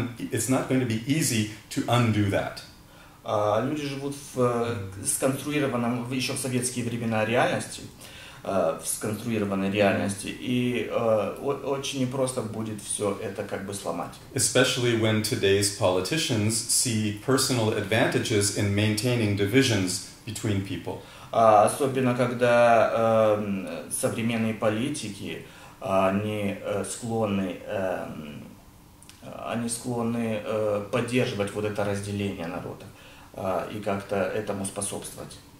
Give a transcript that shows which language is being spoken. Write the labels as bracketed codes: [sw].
[en] It's not going to be easy to undo that. [ru] Люди живут в сконструированном еще в советские времена реальности, в сконструированной реальности, и очень непросто будет все это как бы сломать. [en] Especially when today's politicians see personal advantages in maintaining divisions between people. [ru] Особенно когда современные политики они склонны поддерживать вот это разделение народа и как-то этому способствовать.